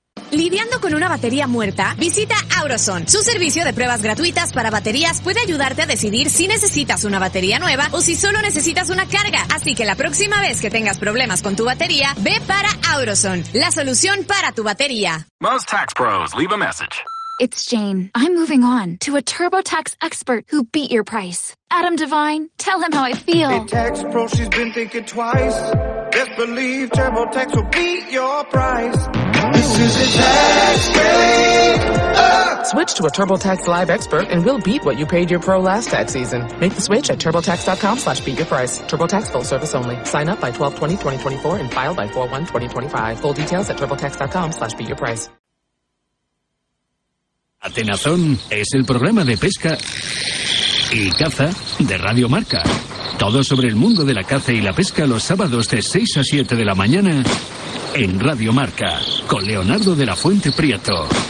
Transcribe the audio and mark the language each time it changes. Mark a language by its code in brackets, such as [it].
[es] Lidiando con una batería muerta, visita AuroZone. Su servicio de pruebas gratuitas para baterías puede ayudarte a decidir si necesitas una batería nueva o si solo necesitas una carga. Así que la próxima vez que tengas problemas con tu batería, ve para AuroZone, la solución para tu batería. [en] Most tax pros leave a message. It's Jane. I'm moving on to a TurboTax expert who beat your price. Adam Devine, tell him how I feel. Hey, tax pro, she's been thinking twice. Best believe TurboTax will beat your price. This is a tax break. Switch to a TurboTax Live expert and we'll beat what you paid your pro last tax season. Make the switch at TurboTax.com/beat your price. TurboTax full service only. Sign up by 12/20/2024 and file by 4/1/2025. Full details at TurboTax.com/beat your price. [es] Atenazón es el programa de pesca y caza de Radio Marca. Todo sobre el mundo de la caza y la pesca los sábados de 6 a 7 de la mañana en Radio Marca con Leonardo de la Fuente Prieto.